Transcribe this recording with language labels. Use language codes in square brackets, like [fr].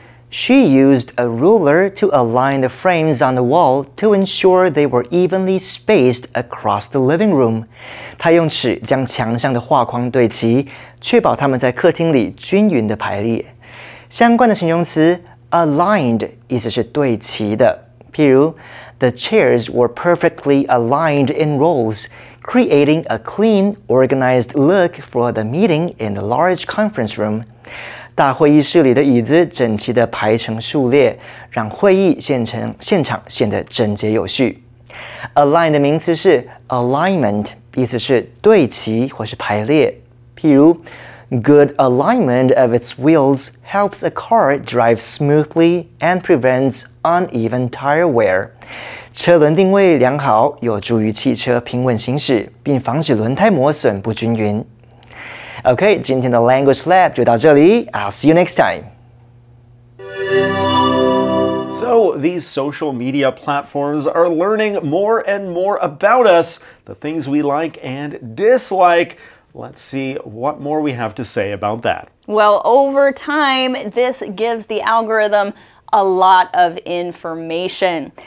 [en] She used a ruler to align the frames on the wall to ensure they were evenly spaced across the living room. [zh] 她用尺将墙上的画框对齐，确保它们在客厅里均匀的排列。相关的形容词 aligned 意思是对齐的。譬如 [en] ，The chairs were perfectly aligned in rows, creating a clean, organized look for the meeting in the large conference room. [zh] 大会议室里的椅子整齐地排成数列，让会议现场显得整洁有序。 Align 的名词是 alignment， 意思是对齐或是排列。譬如 [en] ，Good alignment of its wheels helps a car drive smoothly and prevents uneven tire wear。 [zh] 车轮定位良好，有助于汽车平稳行驶，并防止轮胎磨损不均匀。 [en] Okay, [zh] 今天的 [en] Language Lab [zh] 就到这里。 [en] I'll see you next time. So, these social media platforms are learning more and more about us, the things we like and dislike. Let's see what more we have to say about that. Well, over time, this gives the algorithm a lot of information.